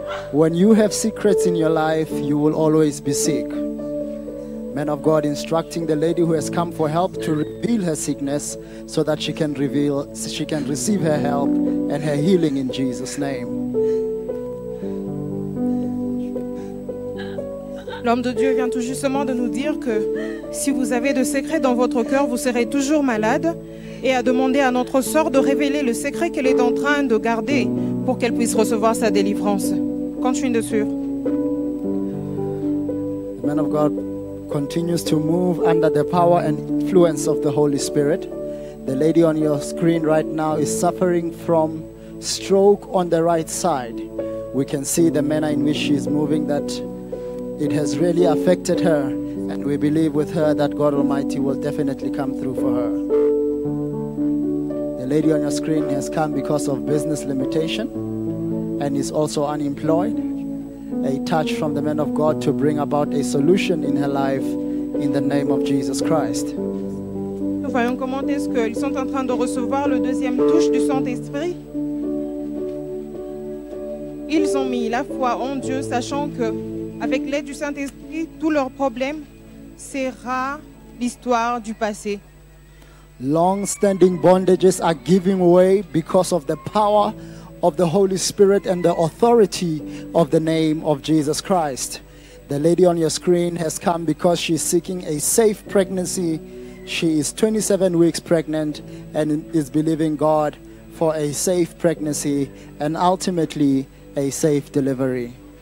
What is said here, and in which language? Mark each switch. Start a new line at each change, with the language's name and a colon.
English: When you have secrets in your life, you will always be sick. Man of God instructing the lady who has come for help to reveal her sickness so that she can receive her help and her healing in Jesus' name.
French: L'homme de Dieu vient tout justement de nous dire que si vous avez de secrets dans votre cœur, vous serez toujours malade, et a demandé à notre sœur de révéler le secret qu'elle est en train de garder pour qu'elle puisse recevoir sa délivrance. Continue dessus.
English: The man of God continues to move under the power and influence of the Holy Spirit. The lady on your screen right now is suffering from stroke on the right side. We can see the manner in which she is moving that it has really affected her, and we believe with her that God Almighty will definitely come through for her. The lady on your screen has come because of business limitation and is also unemployed. A touch from the man of God to bring about a solution in her life in the name of Jesus Christ.
French: Nous voyons comment est-ce qu'ils sont en train de recevoir le deuxième touche du Saint-Esprit. Ils ont mis la foi en Dieu, sachant que avec l'aide du Saint-Esprit, tous leurs problèmes sera l'histoire du passé.
English: Long-standing bondages are giving way because of the power of the Holy Spirit and the authority of the name of Jesus Christ. The lady on your screen has come because she is seeking a safe pregnancy. She is 27 weeks pregnant and is believing God for a safe pregnancy and ultimately a safe delivery.